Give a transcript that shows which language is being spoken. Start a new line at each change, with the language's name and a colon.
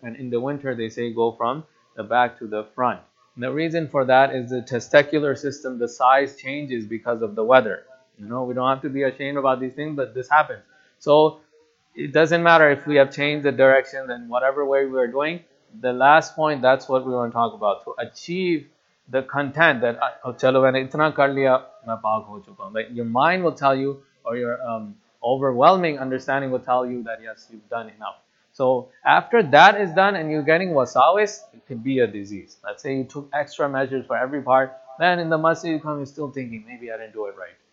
English: And in the winter, they say go from the back to the front. And the reason for that is the testicular system, the size changes because of the weather. You know, we don't have to be ashamed about these things, but this happens. So it doesn't matter if we have changed the direction and whatever way we are doing. The last point, that's what we want to talk about. To achieve the content that,
Urdu: چلو، میں نے اتنا کر لیا، میں پاک ہو چکا۔
English: Like your mind will tell you, or your overwhelming understanding will tell you that yes, you've done enough. So after that is done and you're getting wasawis, it could be a disease. Let's say you took extra measures for every part. Then in the masjid you come, you're still thinking, maybe I didn't do it right.